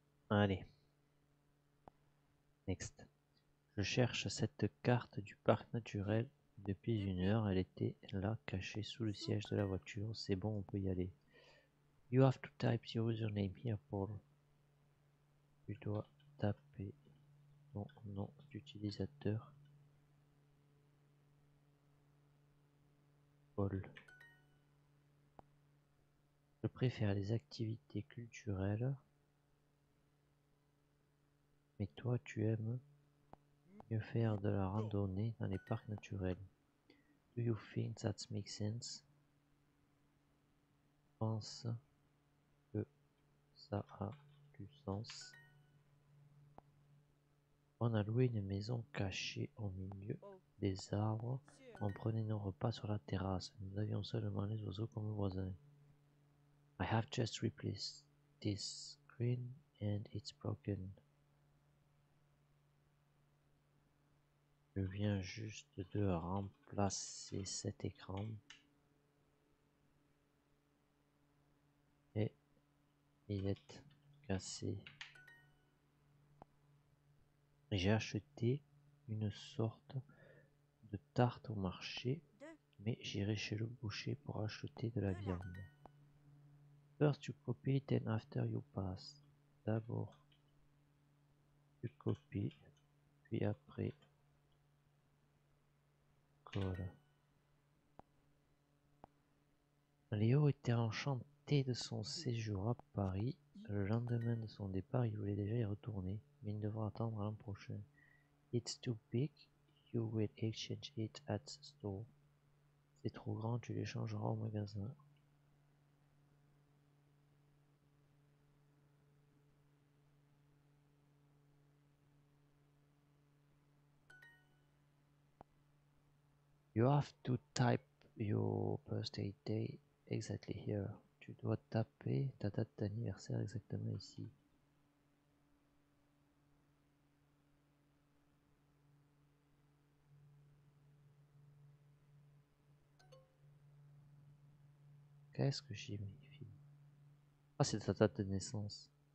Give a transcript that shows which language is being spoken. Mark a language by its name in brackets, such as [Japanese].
[French] Allez, [English] next. [French] Je cherche cette carte du parc naturel depuis une heure. Elle était là, cachée sous le siège de la voiture. C'est bon, on peut y aller. [English] You have to type your username here, Paul. [French] Tu dois taper ton nom d'utilisateur. Paul. Je préfère les activités culturelles. Mais toi, tu aimes mieux faire de la randonnée dans les parcs naturels. [English] Do you think that makes sense? [French] Pense que ça a du sens. On a loué une maison cachée au milieu des arbres. On prenait nos repas sur la terrasse. Nous avions seulement les oiseaux comme voisins. [English] I have just replaced this screen and it's broken. [French] Je viens juste de remplacer cet écran et il est cassé. J'ai acheté une sorte de tarte au marché, mais j'irai chez le boucher pour acheter de la viande. [English] First you copy it and after you pass. [French] D'abord, tu copies, puis après. Léo était enchanté de son séjour à Paris. Le lendemain de son départ, il voulait déjà y retourner, mais il devra attendre l'an prochain. [English] It's too big, you will exchange it at the store. [French] C'est trop grand, tu l'échangeras au magasin. [English] You have to type your birthday day exactly here. [French] Tu dois taper ta date d'anniversaire exactement ici. Qu'est-ce que j'ai mes films? Ah, c'est ta date de naissance.